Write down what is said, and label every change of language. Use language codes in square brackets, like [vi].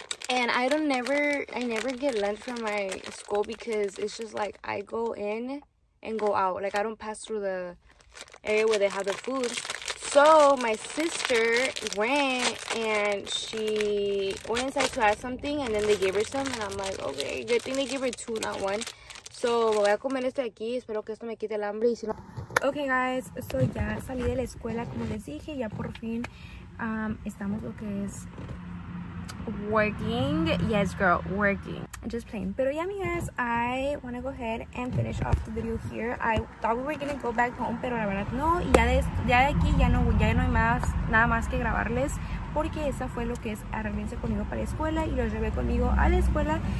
[en] And I never get lunch from my school, because it's just like I go in and go out, like I don't pass through the area where they have the food. So my sister went and she went inside to ask something, and then they gave her some, and I'm like, okay, good thing they gave her two, not one. [es] So me voy a comer este aquí, espero que esto me quite el hambre. [en] Okay guys, [es] so ya salí de la escuela, como les dije, ya por fin estamos lo que es working. [en] Yes girl, working. Just playing. Pero ya, amigas, I want to go ahead and finish off the video here. I thought we were going to go back home, pero la verdad no. [es] Y ya de aquí ya no hay más, nada más que grabarles. Porque esa fue lo que es arreglarse conmigo para la escuela y lo llevé conmigo a la escuela.